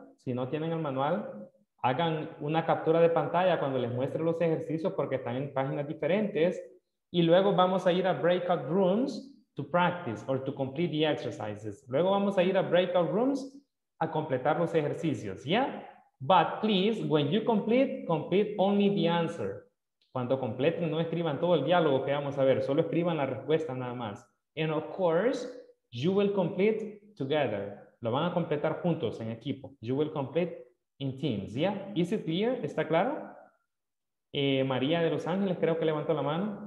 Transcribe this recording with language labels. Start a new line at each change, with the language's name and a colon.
Spanish: Si no tienen el manual, hagan una captura de pantalla cuando les muestre los ejercicios porque están en páginas diferentes. Y luego vamos a ir a breakout rooms
English: to practice or to complete the exercises.
Spanish: Luego vamos a ir a breakout rooms a completar los ejercicios, yeah?
English: But please, when you complete, complete only the answer.
Spanish: Cuando completen, no escriban todo el diálogo que vamos a ver, solo escriban la respuesta nada más.
English: And of course, you will complete together.
Spanish: Lo van a completar juntos, en equipo.
English: You will complete in teams, yeah? Is it clear?
Spanish: ¿Está claro? María de Los Ángeles, creo que levantó la mano.